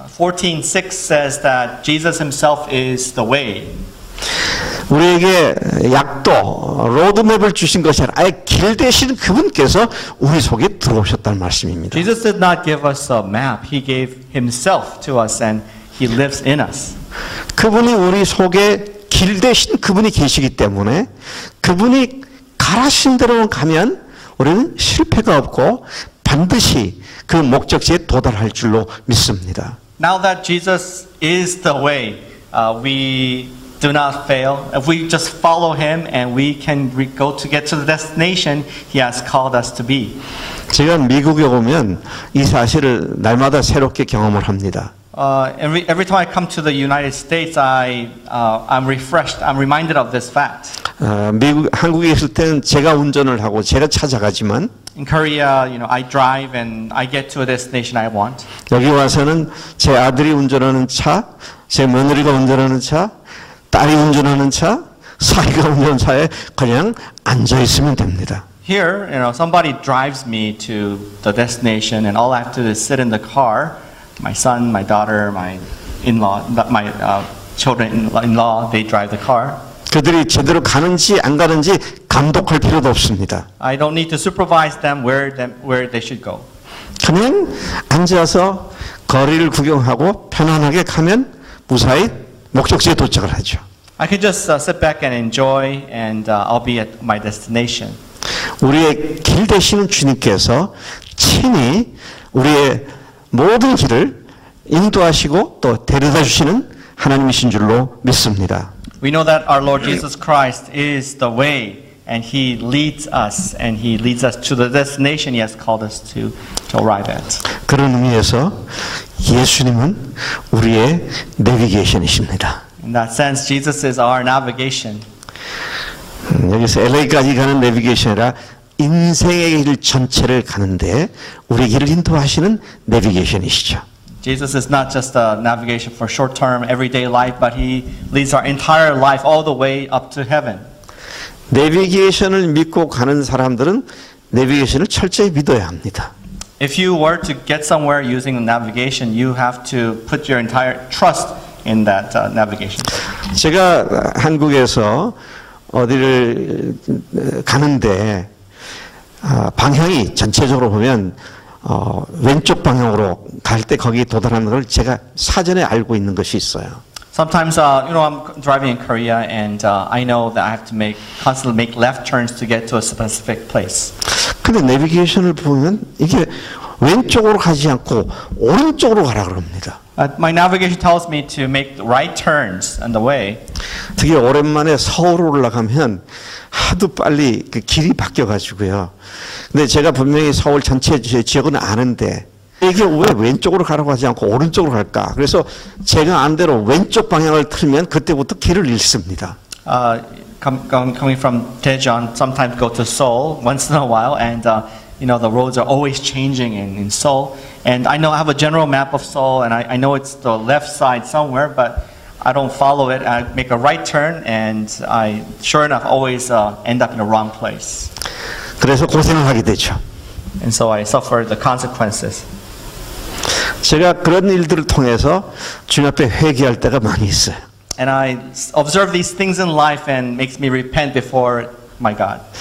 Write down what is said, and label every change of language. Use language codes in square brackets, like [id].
[en] 14:6 says that Jesus himself is the way. [ko] 우리에게 약도 로드맵을 주신 것이 아니라 아예 길 대신 그분께서 우리 속에 들어오셨다는 말씀입니다. [en] Jesus did not give us a map. He gave himself to us and he lives in us. [ko] 그분이 우리 속에 길 대신 그분이 계시기 때문에 그분이 가라신 대로 가면 우리는 실패가 없고 반드시 그 목적지에 도달할 줄로 믿습니다. [en] Now that Jesus is the way, we do not fail. If we just follow him and we can go to get to the destination he has called us to be. [ko] 제가 미국에 오면 이 사실을 날마다 새롭게 경험을 합니다. [en] Every time I come to the United States, I'm refreshed. I'm reminded of this fact. [ko] 미국 한국에 있을 때는 제가 운전을 하고 제가 찾아가지만. [en] In Korea, you know, I drive and I get to a destination I want. [ko] 여기 와서는 제 아들이 운전하는 차, 제 며느리가 운전하는 차, 딸이 운전하는 차, 사위가 운전하는 차에 그냥 앉아 있으면 됩니다. [en] Here, you know, somebody drives me to the destination, and all I have to do is sit in the car. My son, my daughter, my in-law, my children in-law, they drive the car. [ko] 그들이 제대로 가는지 안 가는지 감독할 필요도 없습니다. [en] I don't need to supervise them where they should go. [ko] 그냥 앉아서 거리를 구경하고 편안하게 가면 무사히 목적지에 도착을 하죠. [en] I can just sit back and enjoy and I'll be at my destination. [ko] 우리의 길 되시는 주님께서 친히 우리의 모든 길을 인도하시고 또 데려다 주시는 하나님이신 줄로 믿습니다. [en] We know that our Lord Jesus Christ is the way and he leads us and he leads us to the destination he has called us to arrive at. [ko] 그런 의미에서 예수님은 우리의 내비게이션이십니다. [en] In that sense Jesus is our navigation. [ko] 여기서 LA까지 가는 내비게이션이라 인생의 길 전체를 가는데 우리 길을 인도하시는 내비게이션이시죠. [en] Jesus is not just a navigation for short-term everyday life, but he leads our entire life all the way up to heaven. [ko] 내비게이션을 믿고 가는 사람들은 내비게이션을 철저히 믿어야 합니다. [en] If you were to get somewhere using a navigation, you have to put your entire trust in that navigation. [ko] 제가 한국에서 어디를 가는데 방향이 전체적으로 보면 왼쪽 방향으로 갈 때 거기 도달하는 걸 제가 사전에 알고 있는 것이 있어요. [en] Sometimes you know I'm driving in Korea and I know that I have to constantly make left turns to get to a specific place. [ko] 근데 내비게이션을 보면 이게 왼쪽으로 가지 않고 오른쪽으로 가라 그럽니다. [en] My navigation tells me to make the right turns on the way. [ko] 특히 오랜만에 서울 올라가면 하도 빨리 그 길이 바뀌어 가지고요. 근데 제가 분명히 서울 전체 지역은 아는데 이게 왜 왼쪽으로 가라고 하지 않고 오른쪽으로 갈까? 그래서 제가 안 대로 왼쪽 방향을 틀면 그때부터 길을 잃습니다. [en] Coming from Daejeon, sometimes go to Seoul once in a while, and you know the roads are always changing in Seoul. And I know I have a general map of Seoul, and I know it's the left side somewhere, but I don't follow it. I make a right turn, and I sure enough always end up in the wrong place. [ko] 그래서 고생을 하게 되죠. [en] And so I suffer the consequences. [ko] 제가 그런 일들을 통해서 주님 앞에 회개할 때가 많이 있어요. [en] And I observe these things in life and makes me repent before my God.